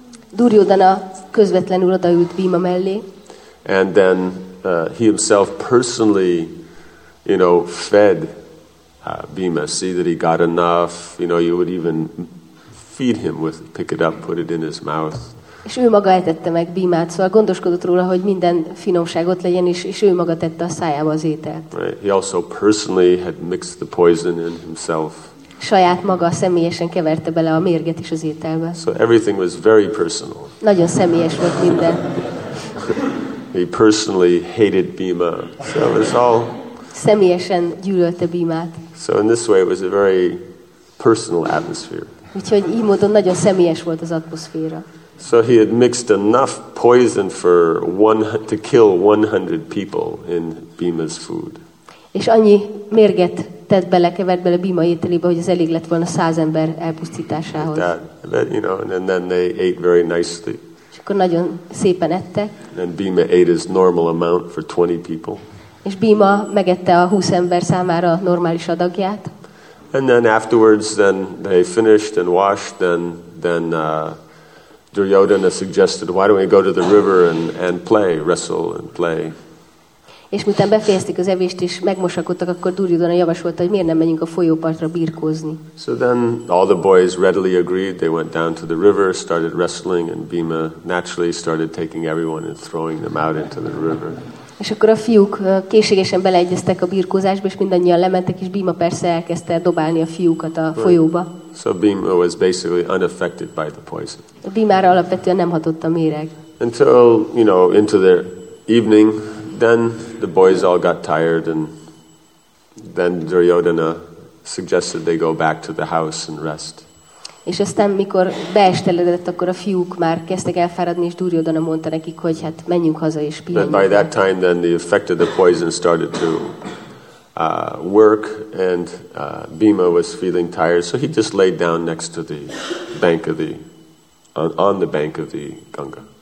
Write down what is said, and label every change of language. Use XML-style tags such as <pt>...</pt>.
<hu>Duryodhana közvetlenül odaült Bhima mellé.</hu> <en>And then he himself personally, you know, fed Bhima. See that he got enough. You know, you would even feed him with, pick it up, put it in his mouth.</en> <hu>És ő maga etette meg Bhimát, szóval gondoskodott róla, hogy minden finomságot legyen, és ő maga tette a szájába az ételt.</hu> <en>Right. He also personally had mixed the poison in himself.</en> <hu>Saját maga személyesen keverte bele a mérget is az ételbe.</hu> <en>So everything was very personal.</en> <hu>Nagyon személyes volt minden.</hu> <en>He personally hated Bhima. So it was all...</en> <hu>Személyesen gyűlölte Bhimát.</hu> <en>So in this way it was a very personal atmosphere.</en> <hu>Úgyhogy így módon nagyon személyes volt az atmoszféra.</hu> <en>So he had mixed enough poison to kill 100 people in Bhima's food.</en> <hu>És annyi mérget tett bele, kevert bele Bhima ételébe, hogy ez elég lett volna 100 ember elpusztításához.</hu> <en>And then they ate very nicely.</en> <hu>És akkor nagyon szépen ettek.</hu> <en>And Bhima ate his normal amount for 20 people.</en> <hu>És Bhima megette a 20 ember számára normális adagját.</hu> <en>And then afterwards, then they finished and washed, then Duryodhana suggested, why don't we go to the river and play, wrestle and play.</en> <hu>És miután befejezték az evést és megmosakodtak, akkor Duryodhana javasolta, hogy miért nem menjünk a folyópartra birkózni.</hu> <en>So then all the boys readily agreed, they went down to the river, started wrestling, and Bhima naturally started taking everyone and throwing them out into the river.</en> <hu>És akkor a fiúk készségesen beleegyeztek a birkózásba, és mindannyian lementek, és Bhima persze elkezdte dobálni a fiúkat a folyóba.</hu> <en>So Bhima was basically unaffected by the poison.</en> <hu>Bhimára alapvetően nem hatott a méreg.</hu> <en>Until, you know, into the evening, then the boys all got tired, and then Duryodhana suggested they go back to the house and rest.</en> <hu>És aztán, mikor beesteledett, akkor a fiúk már kezdtek elfáradni, és Duryodhana mondta nekik, hogy hát menjünk haza és pihenjünk.</hu> <en>But by that time, then the effect of the poison started to work, and Bhima was feeling tired, so he just laid down next to the bank of the on the bank of the Ganga.</en>